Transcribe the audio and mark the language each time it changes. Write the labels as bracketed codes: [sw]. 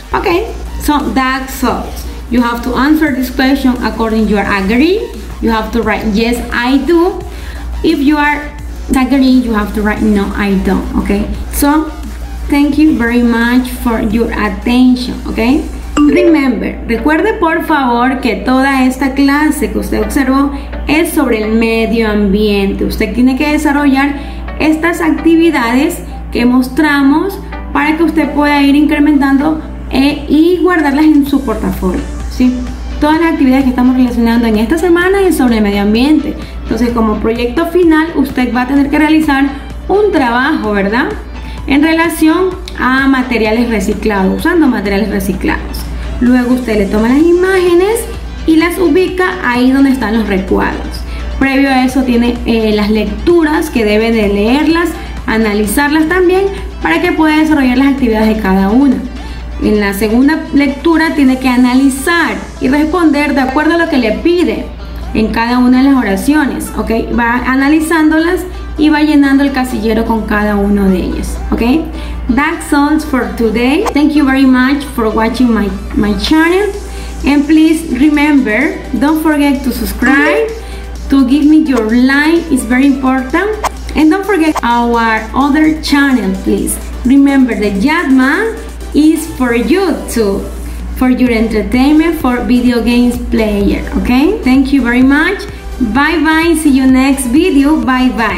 [en] Okay, so that's all. You have to answer this question according to your agree. You have to write, yes, I do. If you are agreeing, you have to write, no, I don't. Okay, so thank you very much for your attention, okay? Remember, [es] recuerde por favor que toda esta clase que usted observó es sobre el medio ambiente. Usted tiene que desarrollar estas actividades que mostramos para que usted pueda ir incrementando y guardarlas en su portafolio, ¿sí? Todas las actividades que estamos relacionando en esta semana es sobre el medio ambiente. Entonces, como proyecto final, usted va a tener que realizar un trabajo, ¿verdad? En relación a materiales reciclados, usando materiales reciclados. Luego usted le toma las imágenes y las ubica ahí donde están los recuadros. Previo a eso tiene las lecturas, que debe de leerlas, analizarlas también, para que pueda desarrollar las actividades de cada una. En la segunda lectura tiene que analizar y responder de acuerdo a lo que le pide en cada una de las oraciones, ¿ok? Va analizándolas y va llenando el casillero con cada uno de ellos, ¿ok? [en] That's all for today. Thank you very much for watching my channel. And please remember, don't forget to subscribe, to give me your like, it's very important. And don't forget our other channel, please. Remember, the Yatma is for you too, for your entertainment, for video games player, ¿ok? Thank you very much. Bye bye, see you next video, bye bye.